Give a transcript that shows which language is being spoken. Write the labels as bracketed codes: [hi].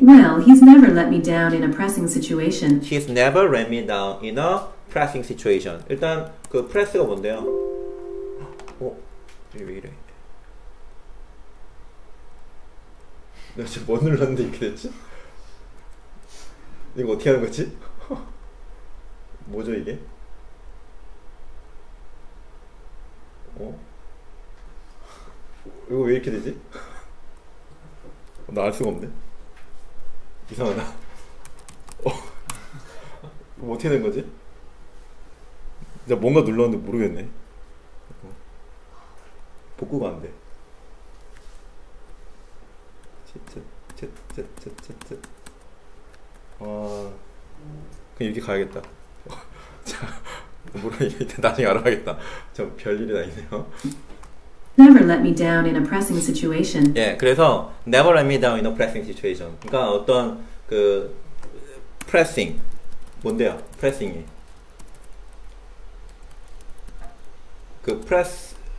[en] Well, he's never let me down in a pressing situation. He's never let me down in a pressing situation. [ko] 일단 그 press가 뭔데요? 어? 왜 이래? 내가 지금 뭐 눌렀는데 이렇게 됐지? 이거 어떻게 하는 거지? 뭐죠 이게? 어? 이거 왜 이렇게 되지? 나 알 수가 없네. 이상하다. 어? 뭐 어떻게 된 거지? 내가 뭔가 눌렀는데 모르겠네. 복구가 안 돼. 쯧쯧쯧쯧쯧쯧. 와. 그럼 이렇게 가야겠다. 자, 모르겠는데 나중에 알아야겠다. 참 별일이 다 있네요. [en] Never let me down in a pressing situation. [ko] 예, 그래서 [en] never let me down in a pressing situation. [ko] 그러니까 어떤 그 pressing 뭔데요? pressing이 그 press.